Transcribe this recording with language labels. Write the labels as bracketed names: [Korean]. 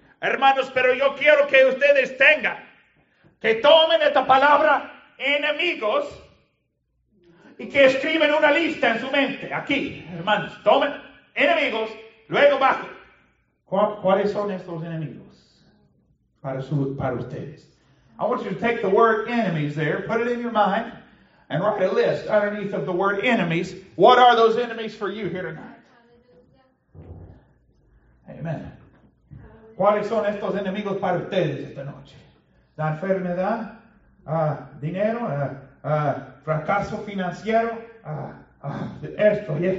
[Spanish] Hermanos, pero yo quiero que ustedes tengan, que tomen esta palabra, enemigos, y que escriben una lista en su mente. Aquí, hermanos, tomen enemigos, luego bajen. ¿Cuáles son estos enemigos para ustedes? [English] I want you to take the word enemies there, put it in your mind, and write a list underneath of the word enemies. What are those enemies for you here tonight? Amen. [Spanish] ¿Cuáles son estos enemigos para ustedes esta noche? La enfermedad, dinero, fracaso financiero, esto.